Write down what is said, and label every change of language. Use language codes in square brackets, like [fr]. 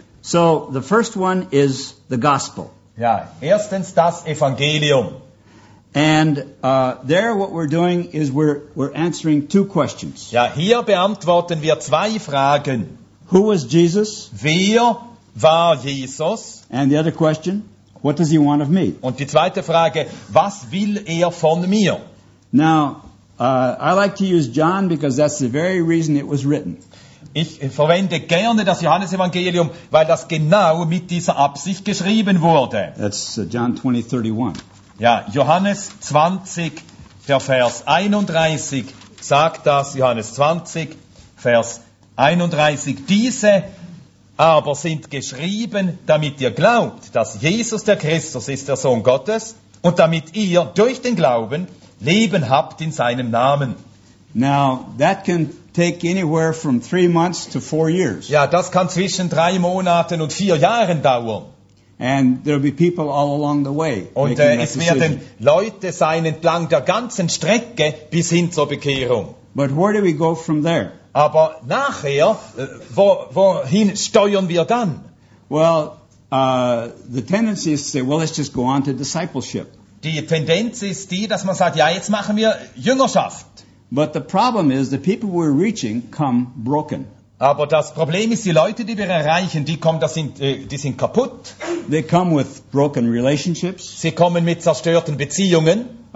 [en] So, the first one is the gospel. [de] Ja, erstens das Evangelium. [en] And there what we're doing is we're answering two questions. [de] Ja, hier beantworten wir zwei Fragen. [en] Who was Jesus? [de] Wer war Jesus? [en] And the other question, what does he want of me? [de] Und die zweite Frage, was will von mir? [en] Now, I like to use John because that's the very reason it was written. [de] Ich verwende gerne das Johannesevangelium, weil das genau mit dieser Absicht geschrieben wurde. [en] That's John 20:31. [de] Ja, Johannes 20, der Vers 31 sagt das. Johannes 20, Vers 31. Diese aber sind geschrieben, damit ihr glaubt, dass Jesus der Christus ist, der Sohn Gottes, und damit ihr durch den Glauben Leben habt in seinem Namen. [en] Now, that can take anywhere from 3 months to 4 years. [de] Ja, das kann zwischen 3 Monaten und 4 Jahren dauern. [en] And there'll be people all along the way. [de] Und es werden Leute sein entlang der ganzen Strecke bis hin zur Bekehrung. [en] But where do we go from there? [de] Aber nachher, wohin steuern wir dann? [en] Well, the tendency is to say, well, let's just go on to discipleship. [de] Die Tendenz ist die, dass man sagt, ja, jetzt machen wir Jüngerschaft. [en] But the problem is, the people we're reaching come broken. [de] Aber das Problem ist, die Leute, die wir erreichen, die kommen, die sind kaputt. [en] They come with broken relationships. [de] Sie kommen mit zerstörten Beziehungen.